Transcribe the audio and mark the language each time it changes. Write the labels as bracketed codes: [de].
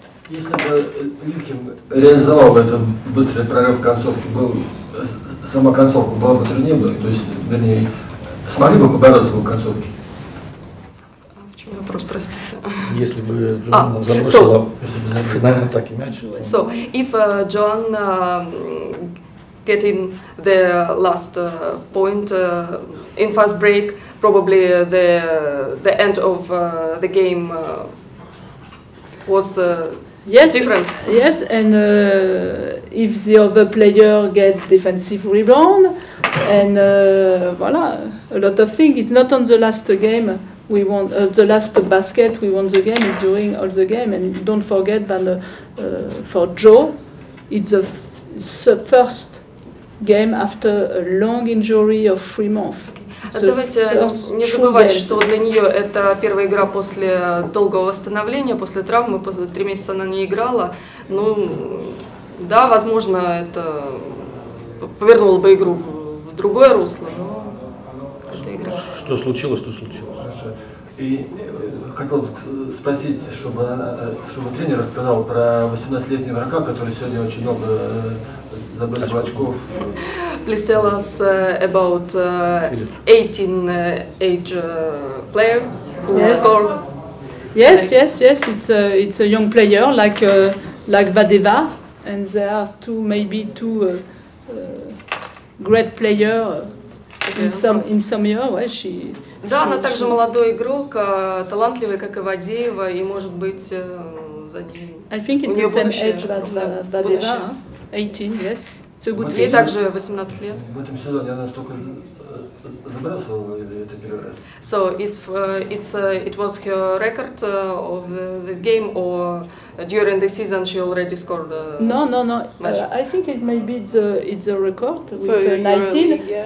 [ru] Если бы Лихин реализовал бы этот быстрый прорыв концовки, был сама концовка была бы труднее бы, то есть, вернее. Смогли бы побороться в концовке? А в чем вопрос, простите? Если бы Джоанна забросила, наверное, так и мяч. [en] So, if Джоанна getting the last point in fast break, probably the end of the game was yes, different. Yes, and if the other player get defensive rebound, and voilà, a lot of things. It's not on the last game we won, the last basket we won the game, it's during all the game. And don't forget that for Joe, it's the first game after a long injury of 3 months. [ru] Давайте не забывать, что для нее это первая игра после долгого восстановления, после травмы, после 3 месяца она не играла. Ну, да, возможно, это повернуло бы игру в другое русло, но это игра. Что случилось, то случилось. И хотел бы спросить, чтобы тренер рассказал про 18-летнего игрока, который сегодня очень много забросил очков. [en] Please tell us about 18-age player who scored. Yes, yes, yes. It's a young player like Vadeva, and there are two, maybe two great player in some year, right? She. [ru] Да, она также молодой игрок, талантливый, как и Вадеева, и может быть за ней. [en] I think it's the same age that Vadeva. 18, yes. It's a good age. [ru] Ей также 18 лет. В этом сезоне она столько забрасывала или это первый раз? [en] So it was her record of this game or during the season she already scored. No. I think it may be it's a record with for 19, league, yeah.